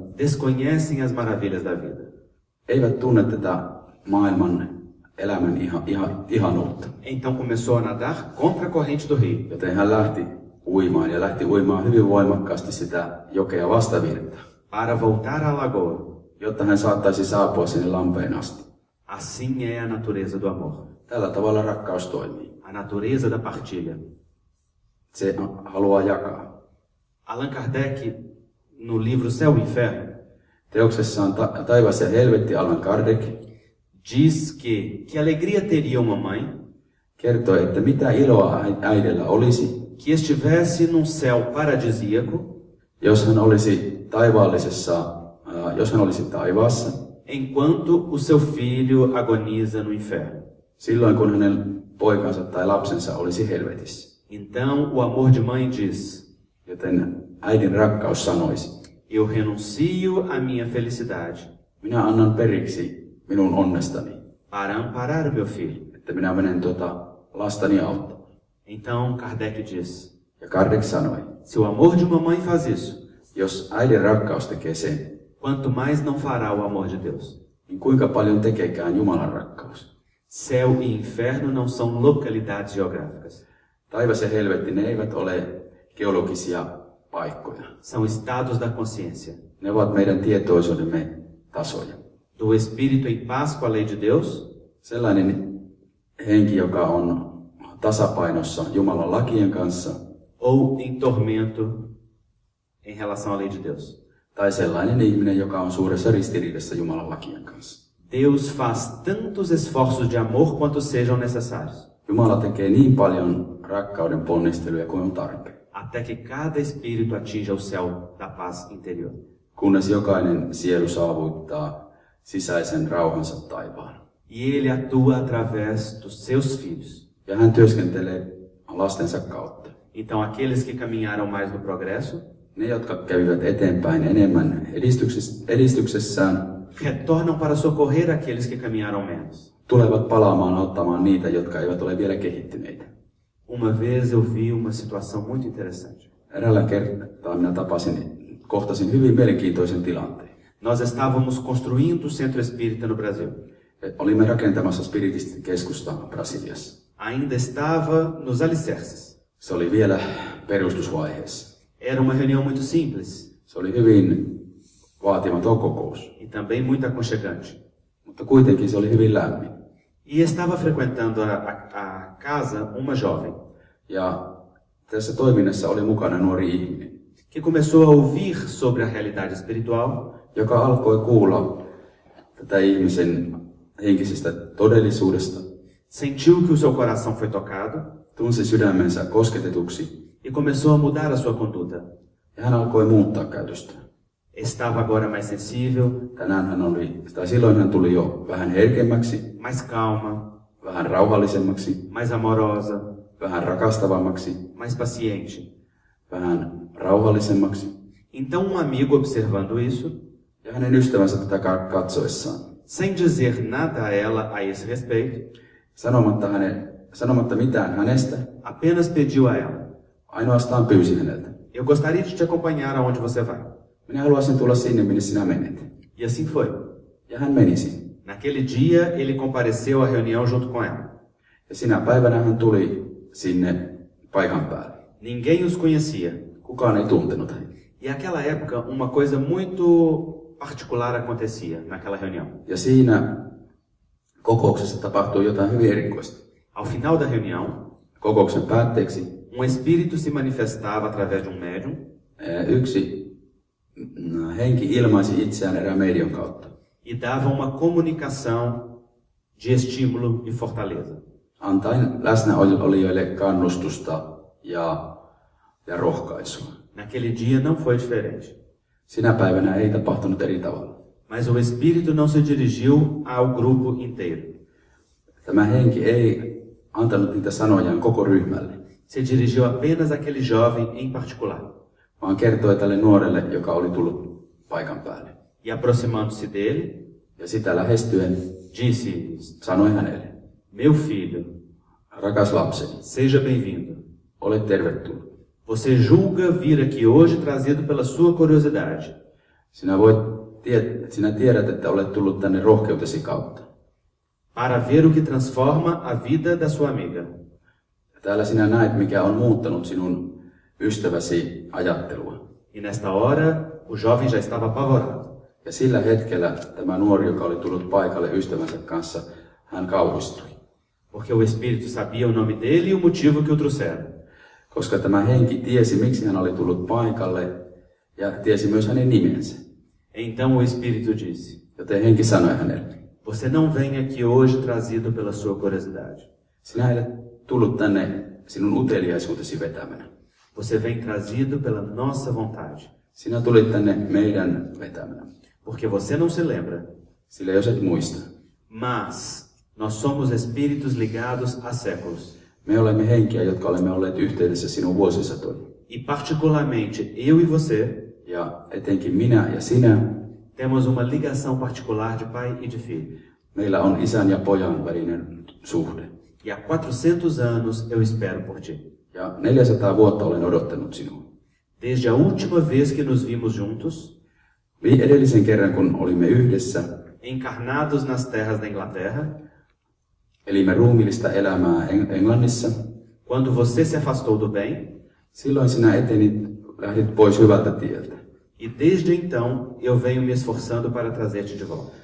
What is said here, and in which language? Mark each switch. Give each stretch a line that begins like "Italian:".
Portuguese: Desconhecem as maravilhas da vida.
Finnish: Eivät tunne tätä maailman elämän ihanuutta.
Portuguese: Então começou a nadar contra a corrente do rio.
Finnish: Joten hän lähti uimaan ja lähti uimaan hyvin voimakkaasti sitä jokea vastavirta.
Portuguese: Para voltar à lagoa,
Finnish: jotta hän saattaisi saapua sinne lampeen asti.
Portuguese: Assim é a natureza do amor.
Finnish: Tällä tavalla rakkaus toimii.
Portuguese: A natureza da partilha.
Finnish: Se haluaa jakaa.
Portuguese: Allan Kardec, no livro Céu e Inferno,
Finnish: teoksessaan Taivas ja helvetti, Allan Kardec,
Portuguese: diz que alegria teria uma mãe,
Finnish: kertoi, että mitä iloa äidellä olisi,
Portuguese: que estivesse num céu paradisíaco,
Finnish: jos hän olisi taivaallisessa, jos hän olisi taivaassa,
Portuguese: enquanto o seu filho agoniza no inferno,
Finnish: silloin kun hänen poikansa tai lapsensa olisi helvetissä.
Portuguese: Então o amor de mãe diz,
Finnish: joten äidin rakkaus sanoisi,
Portuguese: eu renuncio à minha felicidade,
Finnish: minä annan periksi minun onnestani,
Portuguese: para amparar meu filho,
Finnish: että minä menen tuota lastani auttamaan.
Portuguese: Então Kardec diz,
Finnish: ja Kardec sanoi,
Portuguese: se o amor de uma mãe faz isso,
Finnish: jos äidin rakkaus tekee sen,
Portuguese: quanto mais não fará o amor de Deus,
Finnish: niin kuinka paljon tekeekään Jumalan rakkaus.
Portuguese: Céu e inferno não são localidades geográficas.
Finnish: Taivas ja helvetti, ne eivät ole geologisia paikkoja.
Portuguese: São estados da consciência.
Finnish: Ne ovat meidän tietoisuudemme tasoja.
Portuguese: Do espírito em paz com a lei de Deus.
Finnish: Sellainen henki, joka on tasapainossa Jumalan lakien kanssa.
Portuguese: Ou em tormento em relação à lei de Deus.
Finnish: Tai sellainen ihminen, joka on suuressa ristiriidassa Jumalan lakien kanssa.
Portuguese: Deus faz tantos esforços de amor quanto sejam necessários.
Finnish: Jumala tekee niin paljon rakkauden ponnisteluja kuin on tarpeen.
Portuguese: Até que cada espírito atinja o céu da paz interior.
Finnish: Kunnes jokainen sielu saavuttaa sisäisen rauhansa taivaan.
Portuguese: E ele atua através dos seus filhos.
Finnish: Ja hän työskentelee lastensa kautta.
Portuguese: Então aqueles que caminharam mais no progresso,
Finnish: ne jotka kävivät eteenpäin enemmän edistyksessään,
Portuguese: retornam para socorrer aqueles que caminharam menos.
Finnish: Tulevat palaamaan auttamaan niitä, jotka eivät ole vielä kehittyneitä.
Portuguese: Uma vez eu vi uma situação muito interessante.
Finnish: Eräällä kertaa minä kohtasin hyvin mielenkiintoisen tilanteen.
Portuguese: Nós estávamos construindo o centro espírita no Brasil.
Finnish: Olimme rakentamassa spiritistin keskusta Brasiliassa.
Portuguese: Ainda estava nos alicerces.
Finnish: Se oli vielä perustusvaiheessa.
Portuguese: Era uma reunião muito simples.
Finnish: Se oli hyvin vaatimaton kokous.
Portuguese: E também muito aconchegante.
Finnish: Mutta kuitenkin se oli hyvin lämmin.
Portuguese: E estava frequentando a casa uma jovem.
Finnish: Ja tässä toiminnassa oli mukana nuori ihminen.
Portuguese: Que começou a ouvir sobre a realidade espiritual.
Finnish: Joka alkoi kuulla tätä ihmisen henkisestä todellisuudesta.
Portuguese: Sentiu que o seu coração foi tocado.
Finnish: Tunsi sydämensä kosketetuksi.
Portuguese: E começou a mudar a sua conduta.
Finnish: Ja hän alkoi muuttaa käytöstä.
Portuguese: Estava agora mais sensível.
Finnish: Tänään hän oli, tai silloin hän tuli jo vähän herkemmäksi.
Portuguese: Mais calma.
Finnish: Vähän rauhallisemmaksi.
Portuguese: Mais amorosa.
Finnish: Vähän rakastavammaksi.
Portuguese: Mais paciente.
Finnish: Vähän rauhallisemmaksi.
Portuguese: Então um amigo observando isso.
Finnish: Ja hänen ystävänsä tätä katsoessaan.
Portuguese: Sem dizer nada a ela a esse respeito.
Finnish: Sanomatta mitään hänestä.
Portuguese: Apenas pediu a ela.
Finnish: Ainoastaan pyysi häneltä.
Portuguese: Eu gostaria de te acompanhar aonde você vai.
Finnish: Minä haluaisin tulla sinne, minne sinä menet.
Portuguese: E assim foi.
Finnish: Ja hän meni sinne.
Portuguese: Naquele dia ele compareceu à reunião junto com ela.
Finnish: Ja sinä päivänä hän tuli sinne paikan päälle.
Portuguese: Ninguém os conhecia.
Finnish: Kukaan ei tuntenut häntä.
Portuguese: E aquela época uma coisa muito particular acontecia naquela reunião.
Finnish: Ja siinä kokouksessa tapahtui jotain hyvin erikoista.
Portuguese: Ao final da reunião,
Finnish: kokouksen päätteeksi,
Portuguese: um espírito se manifestava através de um médium.
Finnish: Yksi henki ilmaisi itseään erään médium kautta.
Portuguese: E dava uma comunicação de estímulo e fortaleza.
Finnish: Antain läsnäolijoille kannustusta ja rohkaisua.
Portuguese: Naquele dia não foi diferente.
Finnish: Sinä päivänä ei tapahtunut eri tavalla.
Portuguese: Mas o espírito não se dirigiu ao grupo inteiro.
Finnish: Tämä henki ei antanut niitä sanojaan koko ryhmälle.
Portuguese: Se dirigiu apenas aquele jovem em particular.
Finnish: Vaan kertoi tälle nuorelle, joka oli tullut paikan päälle.
Portuguese: E aproximando-se dele.
Finnish: Ja sitä lähestyen.
Portuguese: Disse.
Finnish: Sanoi hänelle.
Portuguese: Meu filho.
Finnish: Rakas lapseni.
Portuguese: Seja bem-vindo.
Finnish: Ole tervetullut.
Portuguese: Você julga vir aqui hoje trazido pela sua curiosidade.
Finnish: Sinä tiedät, että olet tullut tänne rohkeutesi kautta.
Portuguese: Para ver o que transforma a vida da sua amiga.
Finnish: Täällä sinä näet, mikä on muuttanut sinun ystäväsi ajattelua.
Portuguese: E nesta hora, o jovem já estava apavorado.
Finnish: Ja sillä hetkellä tämä nuori, joka oli tullut paikalle ystävänsä kanssa, hän kauhistui.
Portuguese: Porque o espírito sabia o nome dele e o motivo que o trouxeram.
Finnish: Koska tämä henki tiesi, miksi hän oli tullut paikalle, ja tiesi myös hänen nimensä.
Portuguese: Então o espírito disse.
Finnish: Joten henki sanoi hänelle.
Portuguese: Você não vem aqui hoje trazido pela sua curiosidade.
Finnish: Sinä et tullut tänne sinun uteliaisuutesi vetämänä.
Portuguese: Você vem trazido pela nossa vontade.
Finnish: Sinä tulit tänne meidän vetämänä.
Portuguese: Porque você não se lembra.
Finnish: Sillä jos et muista.
Portuguese: Mas nós somos espíritos ligados a séculos.
Finnish: Me olemme henkiä, jotka olemme olleet yhteydessä sinun vuosisatoihin.
Portuguese: E particularmente eu e você.
Finnish: Ja etenkin minä ja sinä.
Portuguese: Temos uma ligação particular de pai e de filho.
Finnish: Meillä on isän ja pojan välinen suhde.
Portuguese: E há 400 anos eu espero por ti.
Finnish: Ja 400 vuotta olen odottanut sinua.
Portuguese: Desde a última vez que nos vimos juntos.
Finnish: Edellisen kerran kun olimme yhdessä.
Portuguese: Encarnados nas terras da Inglaterra.
Finnish: Elimme ruumillista elämää Englannissa.
Portuguese: Quando você se afastou do bem.
Finnish: Silloin sinä etenit, lähdit pois hyvältä tieltä.
Portuguese: E desde então eu venho me esforçando para trazer-te de volta.